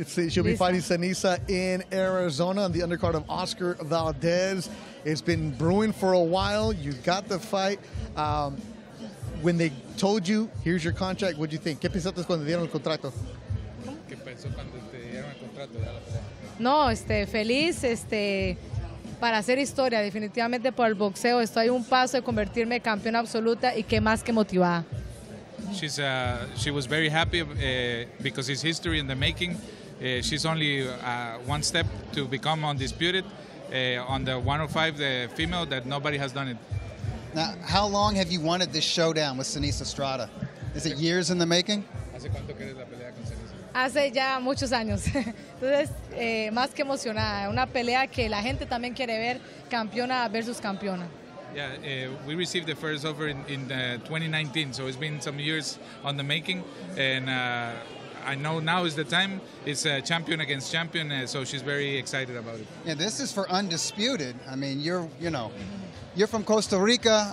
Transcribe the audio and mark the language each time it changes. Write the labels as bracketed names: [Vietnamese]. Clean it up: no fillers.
[English] She'll be fighting Ceniza in Arizona on the undercard of Oscar Valdez. It's been brewing for a while. You got the fight. When they told you, here's your contract, what did you think? [Spanish] ¿Qué pensaste cuando dieron el contrato? No, feliz, para hacer historia, definitivamente por el boxeo. Estoy a un paso de convertirme en campeona absoluta y qué más que motivada. [English] She was very happy because it's history in the making. She's only one step to become undisputed on the 105, the female that nobody has done it. Now, how long have you wanted this showdown with Ceniza Estrada? Is it years in the making? [Spanish] Hace ya muchos años. Entonces, más que emocionada. Una pelea que la gente también quiere ver, campeona versus campeona. [English] Yeah, we received the first offer in 2019, so it's been some years on the making. And I know now is the time. It's champion against champion, so she's very excited about it. Yeah, this is for undisputed. I mean, you're, you know... You're from Costa Rica.